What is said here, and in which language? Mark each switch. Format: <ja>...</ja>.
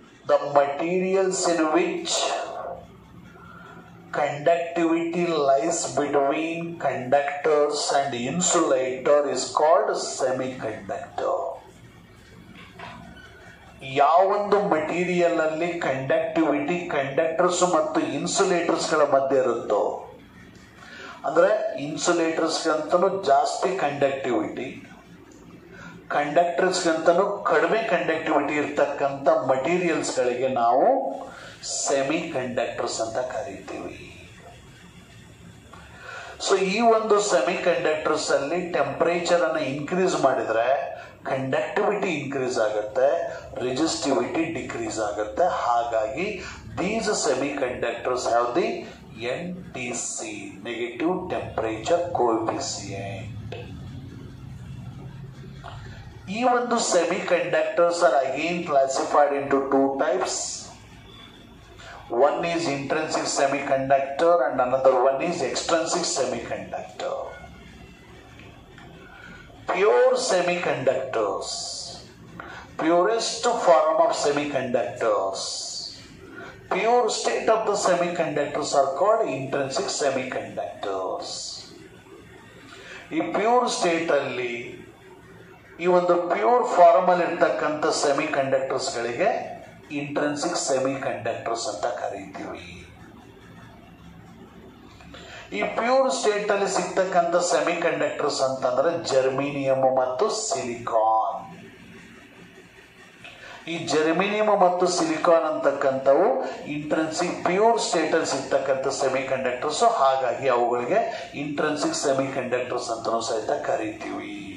<en>the materials in which conductivity lies between conductors and insulator is called semiconductor.</en> <kn>ಯಾವೊಂದು material ಅಲ್ಲಿ conductivity conductors ಮತ್ತು insulators ಗಳ ಮಧ್ಯೆ ಇರುತ್ತೋ, ಅಂದ್ರೆ ಇನ್ಸುಲೇಟರ್ಸ್ ಗಂತನೂ ಜಾಸ್ತಿ ಕಂಡಕ್ಟಿವಿಟಿ, ಕಂಡಕ್ಟರ್ಸ್ ಗಂತನೂ ಕಡಿಮೆ ಕಂಡಕ್ಟಿವಿಟಿ ಇರತಕ್ಕಂಥ ಮಟೀರಿಯಲ್ಸ್ ಗಳಿಗೆ ನಾವು ಸೆಮಿ ಕಂಡಕ್ಟರ್ಸ್ ಅಂತ ಕರಿತೀವಿ. ಸೊ ಈ ಒಂದು ಸೆಮಿ ಕಂಡಕ್ಟರ್ಸ್ ಅಲ್ಲಿ ಟೆಂಪರೇಚರ್ ಅನ್ನು ಇನ್ಕ್ರೀಸ್ ಮಾಡಿದ್ರೆ ಕಂಡಕ್ಟಿವಿಟಿ ಇನ್ಕ್ರೀಸ್ ಆಗುತ್ತೆ, ರೆಸಿಸ್ಟಿವಿಟಿ ಡಿಕ್ರೀಸ್ ಆಗುತ್ತೆ. ಹಾಗಾಗಿ</kn> <en>These semiconductors have the N T C, negative temperature coefficient.</en> <kn>ಈ ಒಂದು</kn> <en>Semiconductors are again classified into two types. One is intrinsic semiconductor and another one is extrinsic semiconductor. Pure semiconductors, purest form of semiconductors, pure state of the semiconductors are called intrinsic semiconductors. In pure state alli, even the pure form</en> <kn>alli irthakkanta</kn> <en>semiconductors galige intrinsic semiconductors</en> <kn>ಅಂತ ಕರೀತೀವಿ. ಈ pure state ಅಲ್ಲಿ ಸಿಗ್ತಕ್ಕಂತ semi conductors ಅಂತಂದ್ರೆ ಜರ್ಮೀನಿಯಂ ಮತ್ತು silicon. ಈ ಜರ್ಮೀನಿಯಂ ಮತ್ತು silicon ಅಂತಕ್ಕಂಥವು intrinsic pure state ಅಲ್ಲಿ ಸಿಗ್ತಕ್ಕಂಥ ಸೆಮಿ ಕಂಡಕ್ಟರ್ಸ್, ಹಾಗಾಗಿ ಅವುಗಳಿಗೆ ಇಂಟ್ರೆನ್ಸಿಕ್ ಸೆಮಿ ಕಂಡಕ್ಟರ್ಸ್ ಅಂತಲೂ ಸಹಿತ ಕರೀತೀವಿ.</kn>